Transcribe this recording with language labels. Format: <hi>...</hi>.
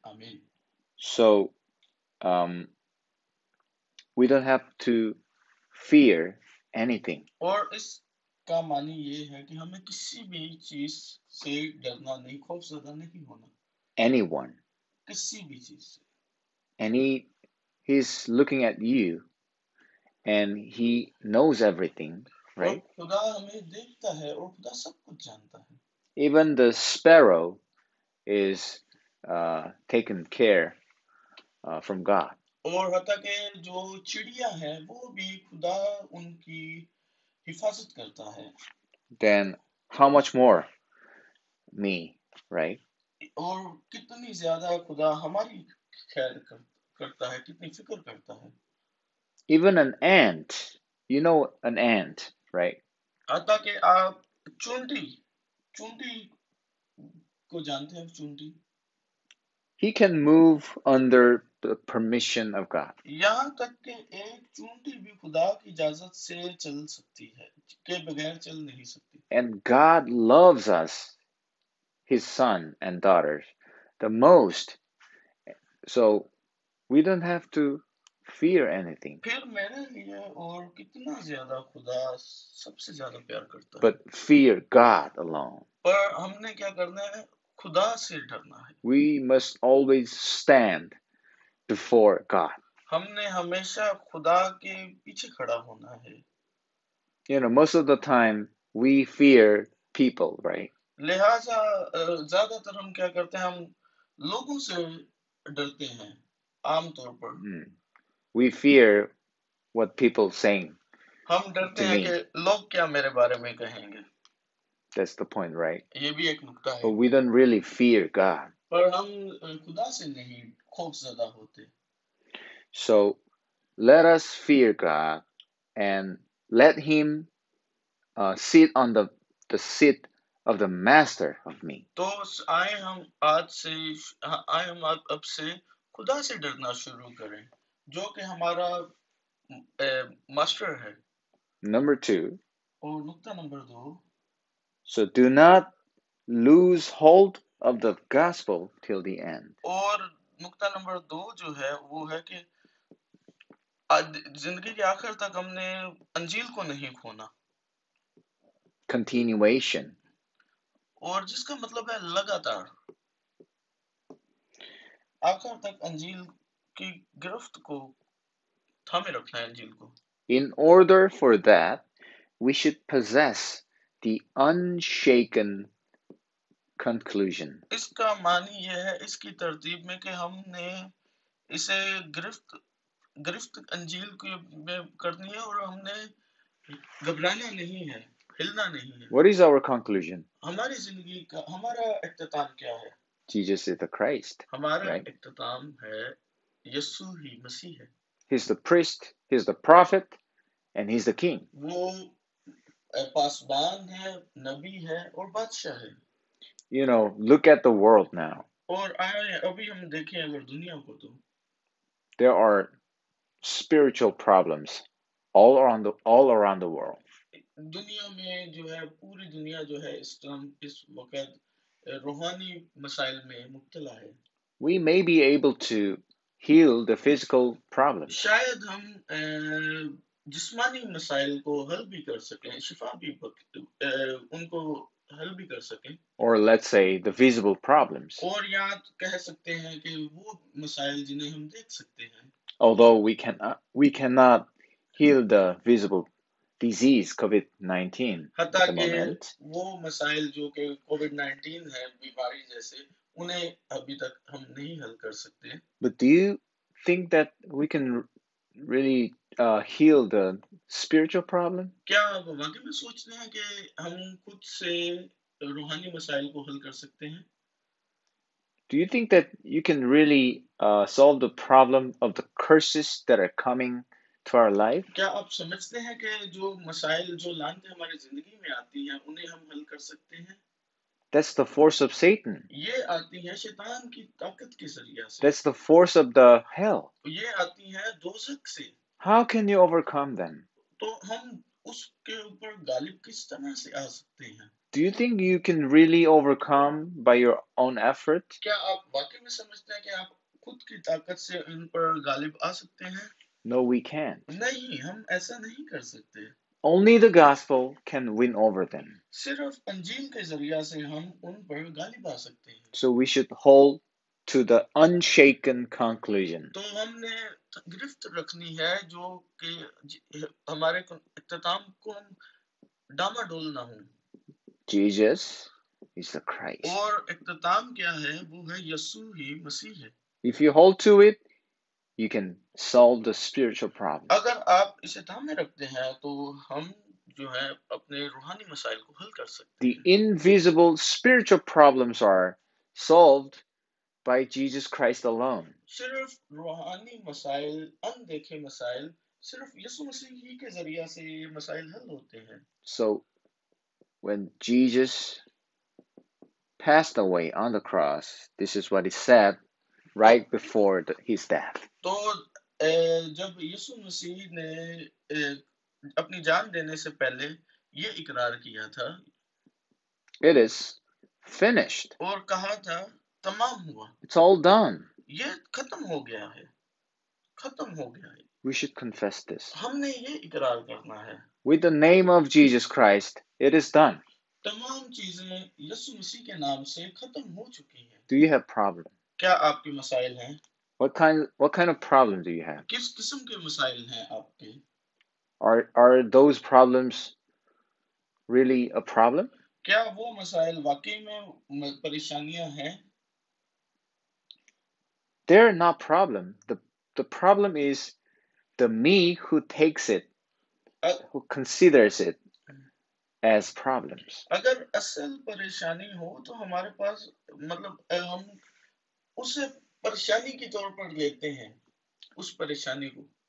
<hi>आमीन।</hi> <en>So, we don't have to fear anything.</en> <hi>और इसका मानी ये है कि हमें किसी भी चीज से डरना नहीं, खौफ ज्यादा नहीं होना</hi> <en>Anyone.</en> <hi>किसी भी चीज से।</hi> <en>And he's looking at you and he knows everything,</en> <hi>और</hi> <en>right?</en> <hi>खुदा हमें देखता है और खुदा सब कुछ जानता है।</hi> <en>Even the sparrow is taken care from God.</en> <hi>और हत्ता के जो चिड़िया है वो भी खुदा उनकी हिफाजत करता है।</hi> <en>Then how much more me, right?</en> <hi>और कितनी ज्यादा खुदा हमारी ख्याल करता है, कितनी फिक्र करता है।</hi> <en>Even an ant, you know an ant, right?</en> <hi>आता के आप चुंडी चुंडी को जानते हैं, चुंडी</hi> <en>He can move under the permission of God.</en> <hi>यहाँ तक के एक चुंडी भी खुदा की इजाजत से चल सकती है, के बगैर चल नहीं सकती।</hi> <en>And God loves us, His son and daughters, the most. So we don't have to fear anything.</en> <hi>फिर मेरे लिए और कितना ज्यादा खुदा सबसे ज्यादा प्यार करता है,</hi> <en>But fear God alone.</en> <hi>पर हमने क्या करना है, खुदा से डरना है।</hi> <en>We must always stand before God.</en> <hi>हमने हमेशा खुदा के पीछे खड़ा होना है। लिहाजा</hi> <en>You know, most of the time we fear people, right?</en> <hi>ज्यादातर हम क्या करते हैं, हम लोगों से डरते हैं आमतौर पर।</hi> <en>We fear what people saying</en> <hi>हम डरते</hi> <en>to</en> <hi>हैं कि</hi> <en>me.</en> <hi>लोग क्या मेरे बारे में कहेंगे, ये</hi> <en>That's the point, right?</en> <hi>भी एक नुक्ता</hi> <en>But</en> <hi>है।</hi> <en>we don't really fear God.</en> <hi>पर हम खुदा से नहीं खौफ ज्यादा होते।</hi> <en>So let us fear God and let him sit on the seat of the master of me.</en> <hi>तो आए हम आज से, आए हम आज अब से खुदा से डरना शुरू करें जो कि हमारा मास्टर है।</hi> <en>Number two.</en> <hi>और नुक्ता नंबर दो,</hi> <en>So do not lose hold of the gospel till the end.</en> <hi>और नुक्ता नंबर दो जो है वो है कि जिंदगी के आखिर तक हमने अंजील को नहीं खोना,</hi> <en>Continuation.</en> <hi>और जिसका मतलब है लगातार आखिर तक अंजील की गिरफ्त को थामे रखना है, अंजील को।</hi> <en>In order for that, we should possess the unshaken conclusion.</en> <hi>इसका मानी यह है इसकी तरतीब में कि हमने इसे गिरफ्त गिरफ्त अंजील की में करनी है और हमने घबराना नहीं है, हिलना नहीं है।</hi> <en>What is our conclusion?</en> <hi>हमारी जिंदगी का हमारा इख्तिताम क्या है?</hi> <en>Jesus is the Christ,</en> <hi>हमारा</hi> <en>right?</en> <hi>इख्तिताम है यीशु ही मसीह है।</hi> <en>He's the priest, he's the prophet, and he's the king.</en> <hi>वो पासवान है, नबी है और बादशाह है।</hi> <en>You know, look at the world now.</en> <hi>और आए अभी हम देखें अगर दुनिया को तो</hi> <en>There are spiritual problems all around the world.</en> <hi>दुनिया में जो है, पूरी दुनिया जो है इस वक्त रूहानी मसाइल में मुब्तला है।</hi> <en>We may be able to heal the physical problems.</en> <hi>शायद हम जिस्मानी मसाइल को हल भी कर सकें, शिफा भी उनको हल भी कर सकें,</hi> <en>Or let's say the visible problems.</en> <hi>और यहाँ कह सकते हैं कि वो मसाइल जिन्हें हम देख सकते हैं।</hi> <en>Although we cannot heal the visible disease COVID-19 at</en> <hi>हत्ता</hi> <en>the</en> <hi>कि</hi> <en>moment.</en> <hi>वो मसाइल जो कि COVID-19 है, बीमारी जैसे, उन्हें अभी तक हम नहीं हल कर सकते हैं।</hi> <en>But do you think that we can really heal the spiritual problem?</en> <hi>क्या आप वाकई में सोचते हैं कि हम खुद से रूहानी मसाइल को हल कर सकते हैं?</hi> <en>Do you think that you can really solve the problem of the curses that are coming to our life?</en> <hi>क्या आप समझते हैं कि जो मसाइल, जो लानतें हमारी जिंदगी में आती हैं, उन्हें हम हल कर सकते हैं?</hi> <en>That's the force of Satan.</en> <hi>ये आती है शैतान की ताकत के जरिया से,</hi> <en>That's the force of the hell.</en> <hi>ये आती है दोजख से।</hi> <en>How can you overcome them?</en> <hi>तो हम उसके ऊपर गालिब किस तरह से आ सकते हैं?</hi> <en>Do you think you can really overcome by your own effort?</en> <hi>क्या आप वाकई में समझते हैं कि आप खुद की ताकत से उन पर गालिब आ सकते हैं?</hi> <en>No, we can't.</en> <hi>नहीं, हम ऐसा नहीं कर सकते।</hi> <en>Only the gospel can win over them.</en> <hi>सिर्फ अंजील के जरिया से हम उन पर गालिब आ सकते हैं।</hi> <en>So we should hold to the unshaken conclusion.</en> <hi>तो हमने गिरफ्त रखनी है जो कि हमारे इख्तिताम को हम डामाडोल ना हो।</hi> <en>Jesus is the Christ.</en> <hi>और इख्तिताम क्या है? वो है यसू ही मसीह है।</hi> <en>If you hold to it, you can solve the spiritual problems.</en> <hi>अगर आप इसे थाम में रखते हैं तो हम जो है अपने रूहानी मसाइल को हल कर सकते</hi> <en>The</en> <hi>हैं।</hi> <en>invisible spiritual problems are solved by Jesus Christ alone.</en> <hi>सिर्फ रूहानी मसाइल, अनदेखे मसाइल, सिर्फ यीशु मसीह ही के जरिया से ये मसाइल हल होते हैं।</hi> <en>So, when Jesus passed away on the cross, this is what he said right before his death.</en> <hi>तो जब यीशु मसीह ने अपनी जान देने से पहले ये इकरार किया था</hi> <en>It is finished.</en> <hi>और कहा था तमाम हुआ,</hi> <en>It's all done.</en> <hi>ये खत्म हो गया है, खत्म हो गया है,</hi> <en>We should confess this.</en> <hi>हमने ये इकरार करना है।</hi> <en>With the name of Jesus Christ, it is done.</en> <hi>तमाम चीजें यीशु मसीह के नाम से खत्म हो चुकी हैं।</hi> <en>Do you have problem?</en> <hi>क्या आपके मसाइल हैं?</hi> <en>What kind of problem do you have?</en> <hi>किस किस्म के मसाइल हैं आपके? क्या</hi> <en>Are those problems really a problem?</en> <hi>वो मसाइल वाकई में परेशानियां हैं?</hi> <en>They're not problem. The problem is the me who takes it, who considers it as problems.</en> <hi>अगर असल परेशानी हो तो हमारे पास, मतलब हम उसे परेशानी के तौर पर लेते हैं, उस परेशानी को।</hi>